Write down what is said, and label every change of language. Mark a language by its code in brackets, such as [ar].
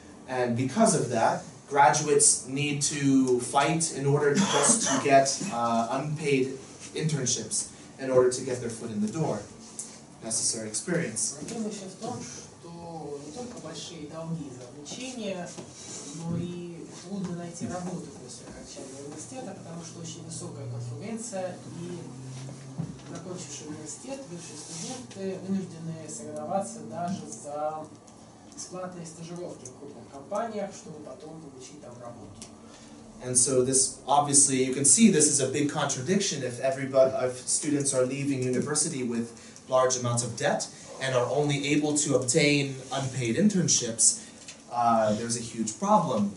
[en] And because of that, graduates need to fight in order just to get unpaid internships, in order to get their foot in the door, necessary experience. [ru] Проблема сейчас в том, что не только большие долги за обучение, но и трудно найти работу после окончания университета, потому что очень высокая конкуренция, и закончивший университет, бывшие студенты вынуждены соревноваться даже за бесплатные стажировки в крупных компаниях, чтобы потом получить там работу. [en] And so this, obviously, you can see this is a big contradiction if students are leaving university with large amounts of debt and are only able to obtain unpaid internships, there's a huge problem.